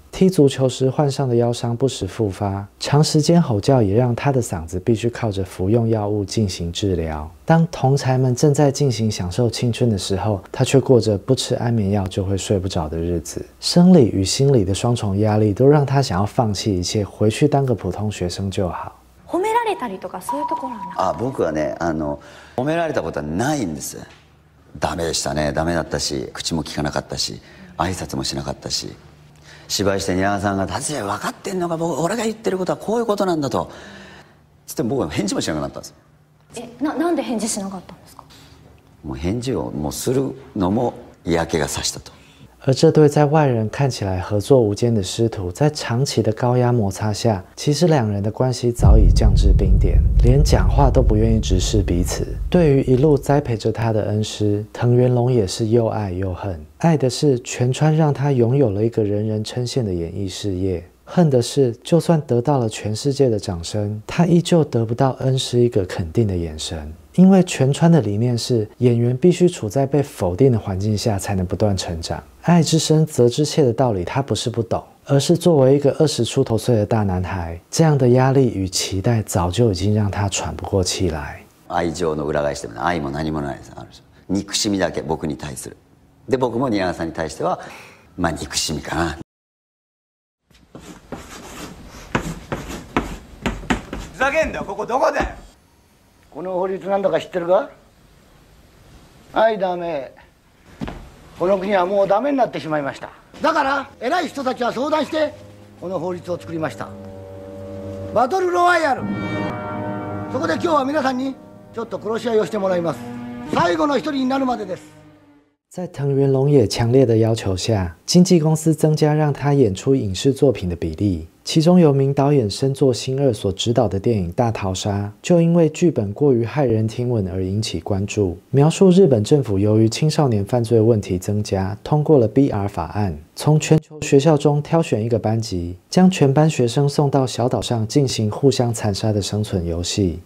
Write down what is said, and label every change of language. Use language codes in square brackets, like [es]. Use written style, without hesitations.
[zh] 踢足球时患上的腰伤不时复发，长时间吼叫也让他的嗓子必须靠着服用药物进行治疗。当同侪们正在进行享受青春的时候，他却过着不吃安眠药就会睡不着的日子。生理与心理的双重压力都让他想要放弃一切，回去当个普通学生就好。 [ja] 褒められたりとかそういうところはなかった？あ、僕はね、褒められたことはないんです。ダメでしたね。ダメだったし、口も聞かなかったし、挨拶もしなかったし、芝居して皆さんが、達也分かってんのか、僕、俺が言ってることはこういうことなんだと。つって僕は返事もしなくなったんです。なんで返事しなかったんですか？もう返事をもうするのも嫌気がさしたと。 [zh] 而这对在外人看起来合作无间的师徒，在长期的高压摩擦下，其实两人的关系早已降至冰点，连讲话都不愿意直视彼此。对于一路栽培着他的恩师，藤原龙也是又爱又恨。爱的是泉川让他拥有了一个人人称羡的演艺事业，恨的是就算得到了全世界的掌声，他依旧得不到恩师一个肯定的眼神。因为泉川的理念是演员必须处在被否定的环境下才能不断成长，爱之深责之切的道理他不是不懂，而是作为一个20出头岁的大男孩，这样的压力与期待早就已经让他喘不过气来。 [ja] 愛情の裏返しでも愛も何もないです。ある憎しみだけ僕に対する。で、僕も宮川さんに対しては、まあ憎しみかな。ふざけんだよ、ここどこだよ。この法律なんだか知ってるか？はい、ダメ。この国はもうダメになってしまいました。だから偉い人たちは相談してこの法律を作りました。バトルロワイヤル。そこで今日は皆さんにちょっと殺し合いをしてもらいます。最後の一人になるまでです。 [zh] 在藤原龙也强烈的要求下，经纪公司增加让他演出影视作品的比例。其中由名导演深作星二所执导的电影《大逃杀》，就因为剧本过于骇人听闻而引起关注。描述日本政府由于青少年犯罪问题增加，通过了 BR 法案，从全球学校中挑选一个班级，将全班学生送到小岛上进行互相残杀的生存游戏。